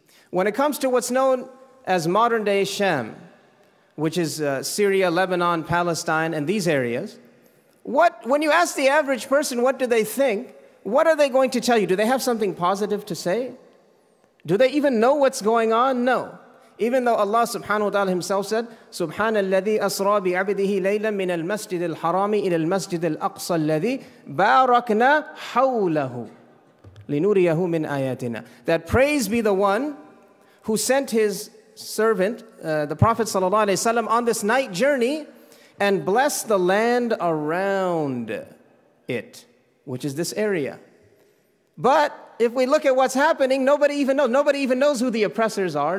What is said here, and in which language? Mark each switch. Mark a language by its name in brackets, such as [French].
[English] When it comes to what's known as modern day Sham, which is Syria, Lebanon, Palestine, and these areas, when you ask the average person, what do they think? What are they going to tell you? Do they have something positive to say? Do they even know what's going on? No. Even though Allah subhanahu wa ta'ala himself said, [Arabic] سُبْحَانَ الَّذِي أَسْرَى بِعَبْدِهِ لَيْلًا مِنَ الْمَسْجِدِ الْحَرَامِ إِلَى الْمَسْجِدِ الْأَقْصَى الَّذِي بَارَكْنَا حَوْلَهُ لِنُورِيَهُ مِنْ آيَاتِنَا. [English] That praise be the one who sent his servant, the Prophet sallallahu alayhi wa sallam, on this night journey and blessed the land around it, which is this area. But if we look at what's happening, nobody even knows. Nobody even knows who the oppressors are.